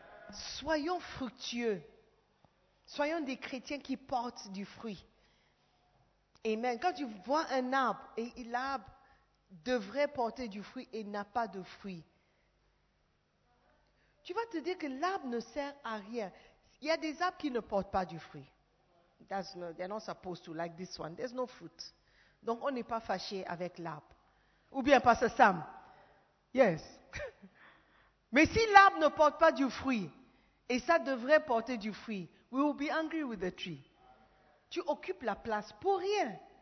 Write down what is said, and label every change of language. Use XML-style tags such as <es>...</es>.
<fr>Soyons fructueux. Soyons des chrétiens qui portent du fruit. Amen. Quand tu vois un arbre, et l'arbre devrait porter du fruit et n'a pas de fruit, tu vas te dire que l'arbre ne sert à rien. Il y a des arbres qui ne portent pas du fruit.</fr> <en>They're not supposed to like this one. There's no fruit.</en> <fr>Donc on n'est pas fâché avec l'arbre. Ou bien Pastor Sam.</fr> <en>Yes.</en> <fr>Mais si l'arbre ne porte pas du fruit, et ça devrait porter du fruit,</fr> <en>we will be angry with the tree.</en> <fr>Tu occupes la place pour rien.</fr>